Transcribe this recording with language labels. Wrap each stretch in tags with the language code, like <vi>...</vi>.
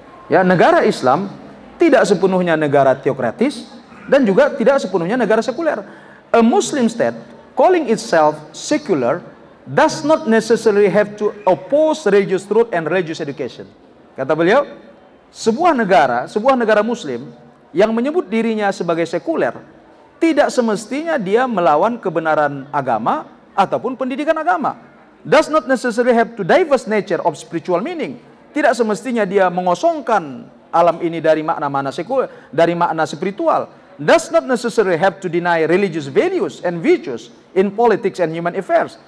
<id>Ya, negara Islam tidak sepenuhnya negara teokratis dan juga tidak sepenuhnya negara sekuler.</id> <en>A Muslim state calling itself secular does not necessarily have to oppose religious truth and religious education.</en> <id>Kata beliau, sebuah negara Muslim yang menyebut dirinya sebagai sekuler tidak semestinya dia melawan kebenaran agama ataupun pendidikan agama.</id> <en>Does not necessarily have to diverse nature of spiritual meaning.</en> <id>Tidak semestinya dia mengosongkan alam ini dari makna spiritual.</id> <en>does not necessarily have to deny religious values and virtues in politics and human affairs.</en>